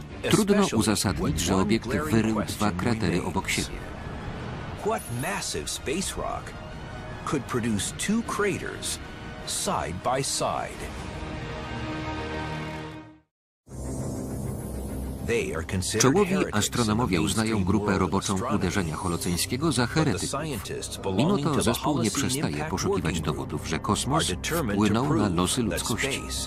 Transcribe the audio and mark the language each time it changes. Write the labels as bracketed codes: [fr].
[pl] Trudno uzasadnić, że obiekt wyrył dwa kratery obok siebie. [en] What massive space rock could produce two craters side by side? [pl] Czołowi astronomowie uznają grupę roboczą uderzenia holoceńskiego za heretyków. Mimo to zespół nie przestaje poszukiwać dowodów, że kosmos wpłynął na losy ludzkości.